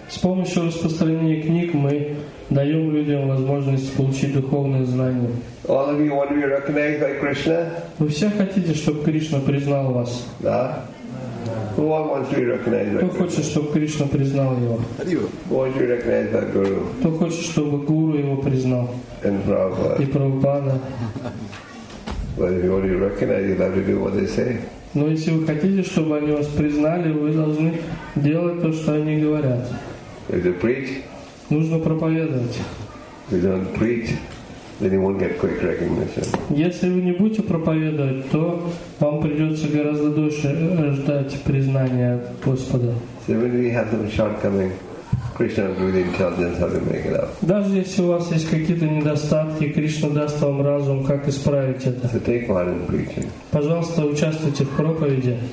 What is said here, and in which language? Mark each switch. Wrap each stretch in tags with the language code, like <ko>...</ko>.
<ru>С помощью распространения книг мы даем людям возможность получить духовное знание.</ru> <en>All of you want to be recognized by Krishna?</en> <ru>Вы все хотите, чтобы Кришна признал вас?</ru> <en>Да. Who wants to be recognized?</en> <ru>Кто хочет, чтобы Кришна признал его?</ru> <en>Who wants to be recognized by Guru?</en> <ru>Кто хочет, чтобы Гуру его признал?</ru> <en>And Prabhupada.</en> <ru>И Прабхупада.</ru> <en>But if you want to be recognized, you have to do what they say.</en> <ru>Но если вы хотите, чтобы они вас признали, вы должны делать то, что они говорят.</ru> <en>If you preach,</en> <ru>нужно проповедовать.</ru> <en>If you don't preach, then you won't get quick recognition.</en> <ru>Если вы не будете проповедовать, то вам придется гораздо дольше ждать признания от Господа.</ru> <en>So when we have some shortcoming, Krishna will give you the intelligence how to make it up.</en> <ru>Даже если у вас есть какие-то недостатки, Кришна даст вам разум, как исправить это.</ru> <en>So take part in preaching.</en> <ru>Пожалуйста, участвуйте в проповеди.</ru>